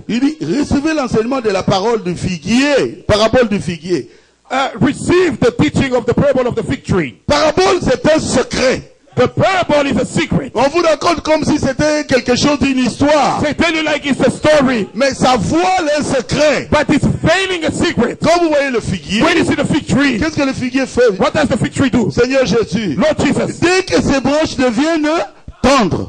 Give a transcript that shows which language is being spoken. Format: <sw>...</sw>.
<fr>Il dit recevez l'enseignement de la parole du figuier, parabole du figuier.</fr> <en>Receive the teaching of the parable of the fig tree.</en> <fr>Parabole, c'est un secret.</fr> <en>The parable is a secret.</en> <fr>On vous raconte comme si c'était quelque chose d'une histoire.</fr> <en>They tell you like it's a story.</en> <fr>Mais ça voile un secret.</fr> <en>But it's veiling a secret.</en> <fr>Quand vous voyez le figuier.</fr> <en>When you see the fig tree.</en> <fr>Qu'est-ce que le figuier fait?</fr> <en>What does the fig tree do?</en> <fr>Seigneur Jésus.</fr> <en>Lord Jesus.</en> <fr>Dès que ses branches deviennent tendres.</fr>